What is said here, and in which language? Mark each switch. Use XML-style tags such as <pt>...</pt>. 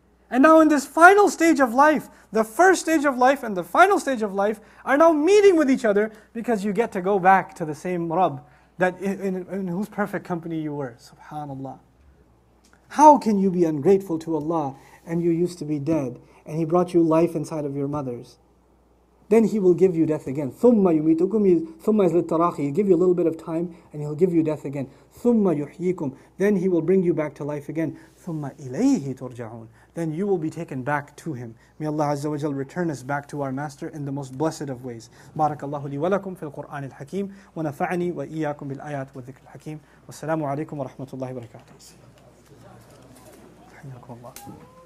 <en>And now in this final stage of life, the first stage of life and the final stage of life are now meeting with each other because you get to go back to the same Rabb that in whose perfect company you were. SubhanAllah. How can you be ungrateful to Allah and you used to be dead and He brought you life inside of your mother's? Then He will give you death again.</en> <ar>ثُمَّ يُمِيتُكُمْ ثُمَّ</ar> <en>is</en> <ar>لِلْتَرَاخِي.</ar> <en>He'll give you a little bit of time and He'll give you death again.</en> <ar>ثُمَّ يُحْيِيكُمْ.</ar> <en>Then He will bring you back to life again.</en> <ar>ثُمَّ إِلَيْهِ تُرْجَعُونَ.</ar> <en>Then you will be taken back to Him. May Allah Azza wa Jal return us back to our Master in the most blessed of ways.</en> <ar>بارك الله لي ولكم في القرآن الحكيم ونفعني وإياكم بالآيات والذكر الحكيم والسلام عليكم ورحمة الله وبركاته. حياكم الله.</ar>